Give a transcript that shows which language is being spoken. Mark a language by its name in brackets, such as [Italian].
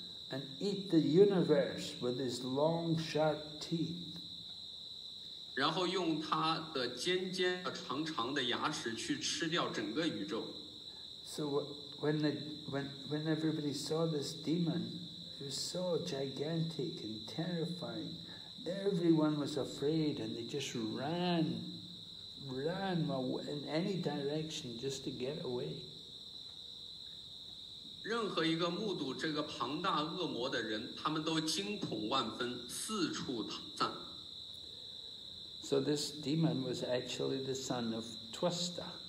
[English] and eat the universe with his long sharp teeth. [Chinese] 然后用他的尖尖长长的牙齿去吃掉整个宇宙。 [English] So when everybody saw this demon, it was so gigantic and terrifying. Everyone was afraid and they just ran in any direction just to get away. [Chinese] 任何一个目睹这个庞大恶魔的人, 他们都惊恐万分, 四处逃散。 [English] So this demon was actually the son of Tvasta.